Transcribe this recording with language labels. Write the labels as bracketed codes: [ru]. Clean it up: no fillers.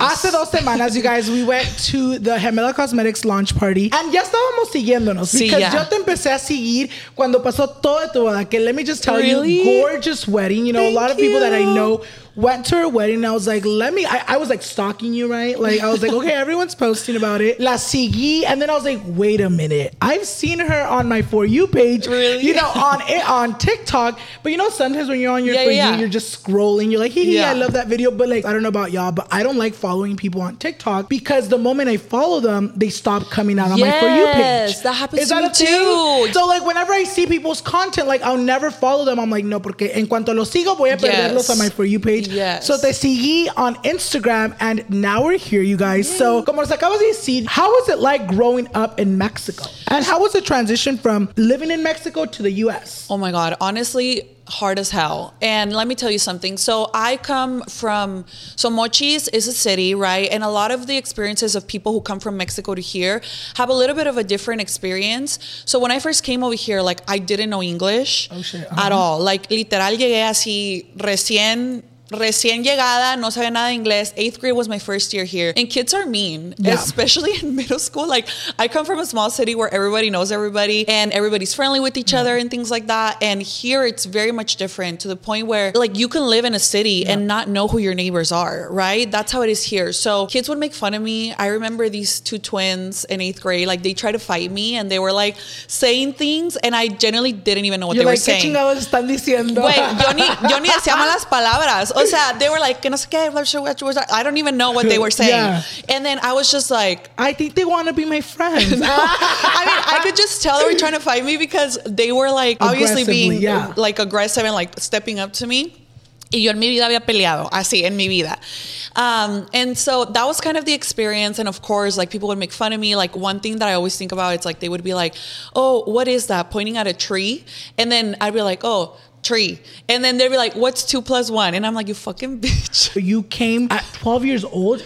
[es] Hace dos semanas, [en] you guys, we went to the Gemela Cosmetics launch party. [es] And ya estábamos siguiéndonos. Sí, [en] because yeah. [es] Yo te empecé a seguir cuando pasó todo tu boda. Que [en] let me just tell really? You, gorgeous wedding. You know, thank a lot of people you. That I know went to her wedding. I was like, let me, I was like stalking you, right? Like, I was like, okay, everyone's posting about it. [es] La sigui. [en] And then I was like, wait a minute. I've seen her on my For You page. Really? You know, on TikTok. But you know, sometimes when you're on your For You, you're just scrolling. You're like, hee, I love that video. But like, I don't know about y'all, but I don't like following people on TikTok because the moment I follow them, they stop coming out on my For You page. Yes, that happens to me too. So like, whenever I see people's content, like I'll never follow them. I'm like, [es] no, porque en cuanto los sigo, voy a perderlos [en] on my For You page. Yes. So [es] te sigue [en] on Instagram and now we're here, you guys. Yay. So [es] como nos acabas de decir, [en] how was it like growing up in Mexico? And how was the transition from living in Mexico to the US? Oh my God, honestly, hard as hell. And let me tell you something. So I come from, so Mochis is a city, right? And a lot of the experiences of people who come from Mexico to here have a little bit of a different experience. So when I first came over here, like I didn't know English at all. Like literal [es] llegué así recién llegada, no sabía nada de inglés. [en] Eighth grade was my first year here. And kids are mean, especially in middle school. Like, I come from a small city where everybody knows everybody and everybody's friendly with each other and things like that. And here it's very much different to the point where, like, you can live in a city and not know who your neighbors are, right? That's how it is here. So kids would make fun of me. I remember these two twins in eighth grade, like, they tried to fight me and they were, like, saying things and I generally didn't even know what you're they were like, saying. You're like, [es] ¿qué chingados están diciendo? [en] Wait, [es] yo ni decía malas palabras. O sea, [en] they were like, [es] no sé qué, [en] I don't even know what they were saying. Yeah. And then I was just like, I think they want to be my friends. I mean, I could just tell they were trying to fight me because they were like obviously being like aggressive and like stepping up to me. [es] Y yo en mi vida había peleado, así, en mi vida. [en] And so that was kind of the experience. And of course, like people would make fun of me. Like one thing that I always think about, it's like they would be like, oh, what is that? Pointing at a tree. And then I'd be like, oh, tree. And then they'd be like, what's 2 + 1? And I'm like, you fucking bitch. You came at 12 years old?